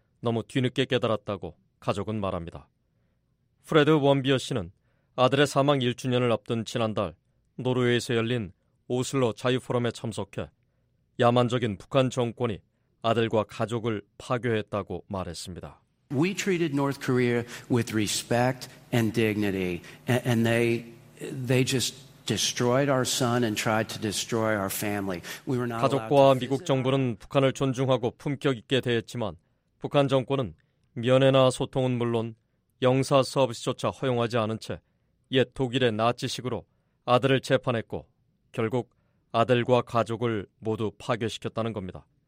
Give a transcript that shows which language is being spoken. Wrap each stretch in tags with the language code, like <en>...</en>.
<ko>너무 뒤늦게 깨달았다고 가족은 말합니다. 프레드 원비어 씨는 아들의 사망 1주년을 앞둔 지난달 노르웨이에서 열린 오슬로 자유포럼에 참석해 야만적인 북한 정권이 아들과 가족을 파괴했다고 말했습니다.</ko> <en>We treated North Korea with respect and dignity, and they just destroyed our son and tried to destroy our family. We were not</en> <ko>가족과 미국 정부는 북한을 존중하고 품격 있게 대했지만 북한 정권은 면회나 소통은 물론 영사 서비스조차 허용하지 않은 채 옛 독일의 나치식으로 아들을 재판했고 결국 아들과 가족을 모두 파괴시켰다는 겁니다.</ko>